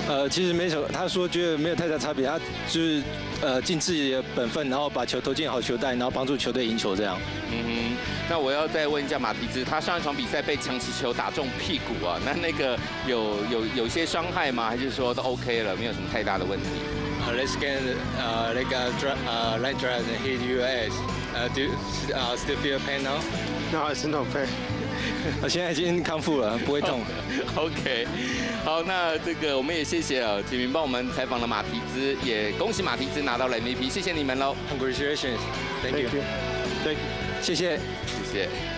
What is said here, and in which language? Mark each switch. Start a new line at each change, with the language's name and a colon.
Chinese: 其实没什么，他说觉得没有太大差别，他就是。尽自己的本分，然后把球投进好球袋，然后帮助球队赢球，这样。嗯哼，那我要再问一下马蹄兹，他上一场比赛被强袭球打中屁股那个有些伤害吗？还是说都 OK 了，没有什么太大的问题
English: ？Let's get like a line drive and hit your ass. Do you still feel pain now? No, it's no pain.
Chinese: 我现在已经康复了，不会痛。
English: OK。
Chinese: 好，那这个我们也谢谢启明帮我们采访了马蹄兹，也恭喜马蹄兹拿到了 MVP， 谢谢你们喽
English: ！Congratulations， thank you， thank you，
Chinese: 谢谢，谢谢。